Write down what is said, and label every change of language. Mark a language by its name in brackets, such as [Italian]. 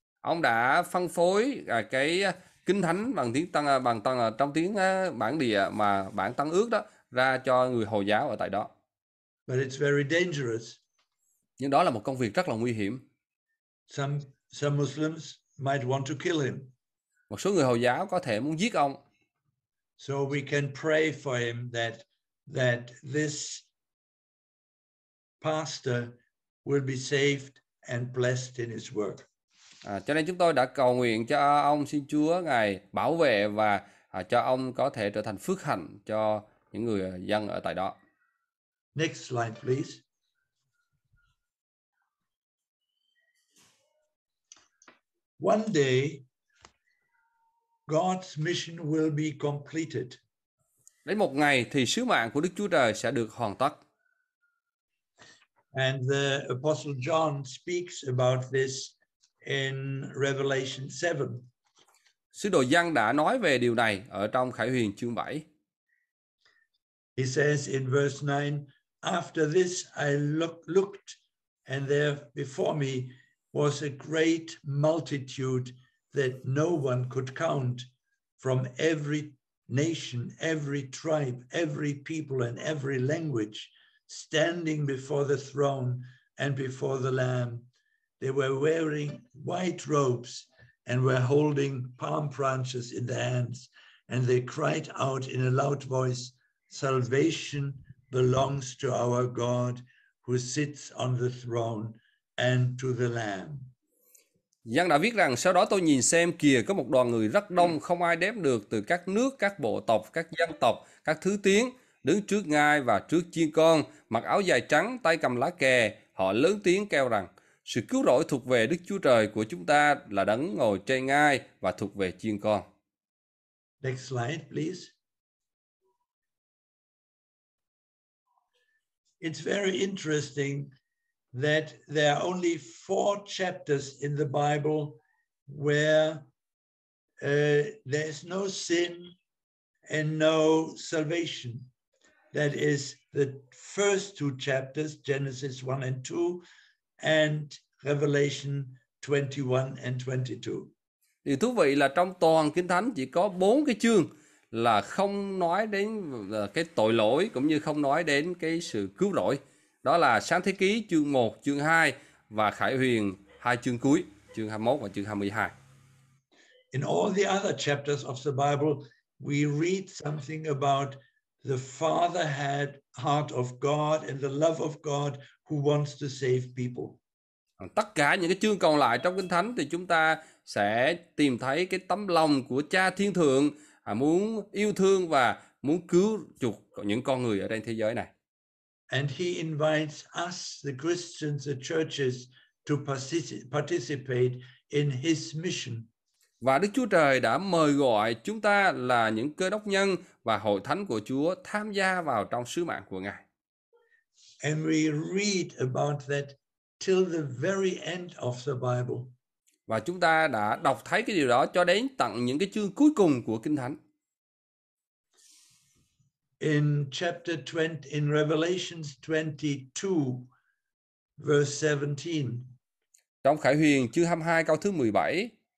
[Vietnamese] Ông đã phân phối cái kinh thánh bằng tiếng Tân bằng tân trong tiếng bản địa mà bản Tân Ước đó ra cho người Hồi giáo ở tại đó. [English] But it's very dangerous. [Vietnamese] Nhưng đó là một công việc rất là nguy hiểm. [English] Some Muslims might want to kill him. [Vietnamese] Một số người Hồi giáo có thể muốn giết ông. [English] So we can pray for him that this pastor will be saved and blessed in his work. [Vietnamese] Cho nên chúng tôi đã cầu nguyện cho ông, xin Chúa Ngài bảo vệ và cho ông có thể trở thành phước hạnh cho những người dân ở tại đó. [English] Next slide, please. One day, God's mission will be completed. [Vietnamese] Đến một ngày thì sứ mạng của Đức Chúa Trời sẽ được hoàn tất. [English] And the Apostle John speaks about this in Revelation 7. [Vietnamese] Sứ đồ Giăng đã nói về điều này ở trong Khải Huyền chương 7. [English] He says in verse 9, after this I looked and there before me was a great multitude that no one could count from every nation, every tribe, every people and every language standing before the throne and before the Lamb. They were wearing white robes and were holding palm branches in their hands, and they cried out in a loud voice, salvation belongs to our God who sits on the throne and to the Lamb. [Vietnamese] Giăng đã viết rằng sau đó tôi nhìn xem kìa có một đoàn người rất đông không ai đếm được từ các nước, các bộ tộc, các dân tộc, các thứ tiếng đứng trước Ngài và trước chiên con, mặc áo dài trắng, tay cầm lá kè, họ lớn tiếng kêu rằng sự cứu rỗi thuộc về Đức Chúa Trời của chúng ta là đấng ngồi trên Ngai và thuộc về chiên con. [English] Next slide, please. It's very interesting that there are only 4 chapters in the Bible where there's no sin and no salvation. That is the first 2 chapters, Genesis 1 and 2, and Revelation 21 and 22. [Vietnamese] Điều thú vị là trong toàn Kinh Thánh chỉ có 4 cái chương là không nói đến cái tội lỗi cũng như không nói đến cái sự cứu rỗi. Đó là Sáng Thế Ký chương 1, chương 2 và Khải Huyền 2 chương cuối, chương 21 và chương 22. [English] In all the other chapters of the Bible, we read something about the Father had heart of God and the love of God who wants to save people. [Vietnamese] Tất cả những cái chương còn lại trong Kinh Thánh thì chúng ta sẽ tìm thấy cái tấm lòng của Cha Thiên Thượng muốn yêu thương và muốn cứu chuộc những con người ở trên thế giới này. [English] And he invites us, the Christians, the churches, to participate in his mission. [Vietnamese] Và Đức Chúa Trời đã mời gọi chúng ta là những cơ đốc nhân và hội thánh của Chúa tham gia vào trong sứ mạng của Ngài. [English] And we read about that till the very end of the Bible. [Vietnamese] Và chúng ta đã đọc thấy cái điều đó cho đến tận những cái chương cuối cùng của Kinh Thánh. [English] In chapter 20, in Revelation 22, verse 17. [Vietnamese] Trong Khải Huyền chương 22 câu thứ 17.